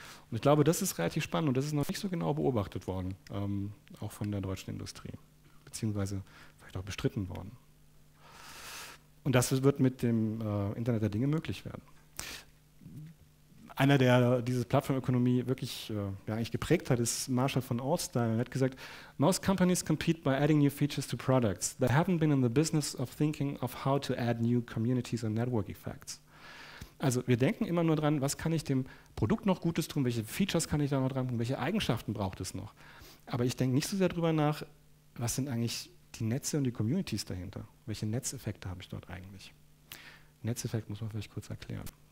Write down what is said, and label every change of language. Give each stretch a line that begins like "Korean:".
German: Und ich glaube, das ist relativ spannend und das ist noch nicht so genau beobachtet worden, auch von der deutschen Industrie, beziehungsweise vielleicht auch bestritten worden. Und das wird mit dem Internet der Dinge möglich werden. Einer, der diese Plattformökonomie wirklich eigentlich geprägt hat, ist Marshall von Ortstein. Er hat gesagt,
English: most companies compete by adding new features to products. They haven't been in the business of thinking of how to add new communities and network effects.
German: Also wir denken immer nur dran, was kann ich dem Produkt noch Gutes tun, welche Features kann ich da noch dran tun, welche Eigenschaften braucht es noch. Aber ich denke nicht so sehr darüber nach, was sind eigentlich die Netze und die Communities dahinter. Welche Netzeffekte habe ich dort eigentlich? Netzeffekt muss man vielleicht kurz erklären.